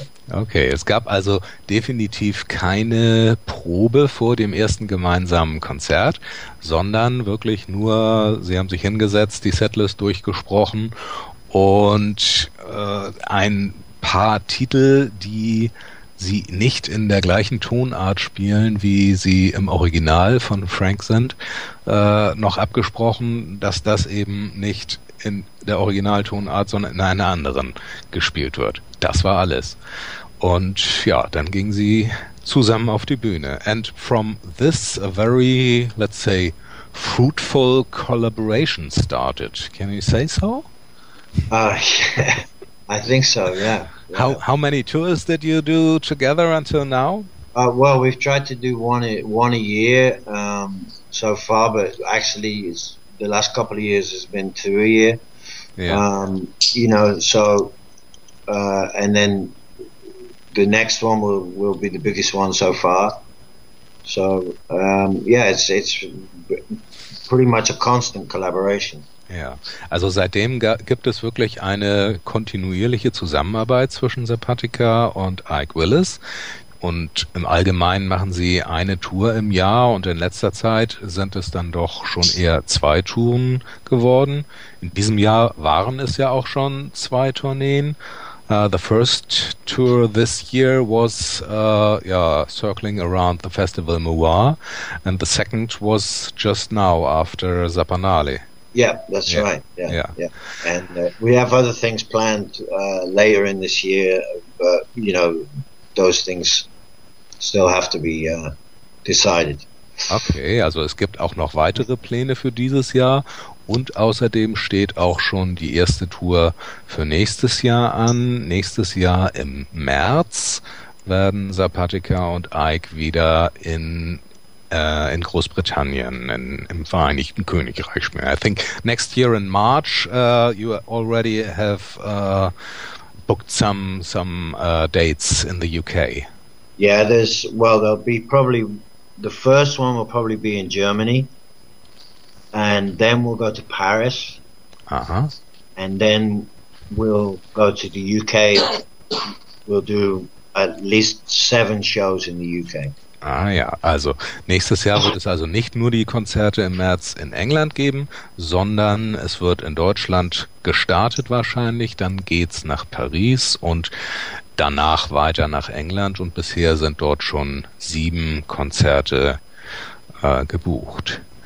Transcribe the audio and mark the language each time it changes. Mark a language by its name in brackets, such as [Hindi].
[German] Okay, es gab also definitiv keine Probe vor dem ersten gemeinsamen Konzert, sondern wirklich nur, sie haben sich hingesetzt, die Setlist durchgesprochen und ein paar Titel, die sie nicht in der gleichen Tonart spielen, wie sie im Original von Frank sind, noch abgesprochen, dass das eben nicht in der Originaltonart, sondern in einer anderen gespielt wird. Das war alles. Und ja, dann gingen sie zusammen auf die Bühne. [English] And from this a very, let's say, fruitful collaboration started. Can you say so? I think so, yeah. How many tours did you do together until now? Well, we've tried to do one a year so far, but actually it's, the last couple of years has been 2 a year. Yeah. You know, so, and then the next one will be the biggest one so far. So, yeah, it's pretty much a constant collaboration. [German] Ja, also seitdem gibt es wirklich eine kontinuierliche Zusammenarbeit zwischen Sepatica und Ike Willis. Und im Allgemeinen machen sie eine Tour im Jahr und in letzter Zeit sind es dann doch schon eher zwei Touren geworden. In diesem Jahr waren es ja auch schon zwei Tourneen. [English] The first tour this year was circling around the Festival Moir and the second was just now after Zapanale. Yeah, that's right. And we have other things planned later in this year, but you know, those things still have to be decided. [German] Okay, also es gibt auch noch weitere Pläne für dieses Jahr und außerdem steht auch schon die erste Tour für nächstes Jahr an. Nächstes Jahr im März werden Sepatica und Ike wieder in Großbritannien, im Vereinigten Königreich spielen. [English] I think next year in March you already have booked some dates in the UK. Yeah, there'll be probably, the first one will probably be in Germany and then we'll go to Paris. Uh-huh. And then we'll go to the UK. We'll do at least 7 shows in the UK. [German] Ah ja, also nächstes Jahr wird es also nicht nur die Konzerte im März in England geben, sondern es wird in Deutschland gestartet wahrscheinlich, dann geht's nach Paris und danach weiter nach England und bisher sind dort schon 7 Konzerte gebucht.